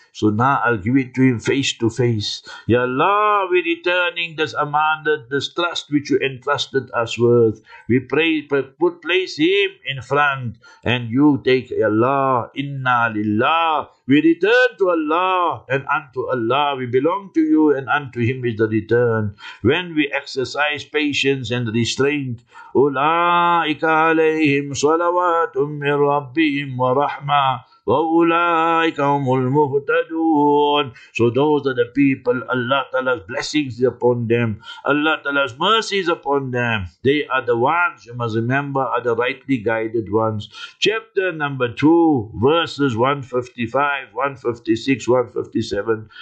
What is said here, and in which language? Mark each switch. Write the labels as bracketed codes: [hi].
[en] So now I'll give it to him face to face. Ya Allah, we're returning this amanat, this trust which you entrusted us with. We pray, place him in front, and you take, Ya Allah, Inna Lillah, We return to Allah and unto Allah. We belong to you and unto Him is the return. When we exercise patience and restraint, [ar] أُولَٰئِكَ عَلَيْهِمْ صَلَوَاتٌ مِّن رَبِّهِمْ وَرَحْمَةٌ وَأُولَٰئِكَ هُمُ الْمُهْتَدُونَ. [en] So those are the people, Allah Ta'ala's blessings is upon them, Allah Ta'ala's mercy is upon them. They are the ones, you must remember, are the rightly guided ones. Chapter number 2, verses 155, 156, 157.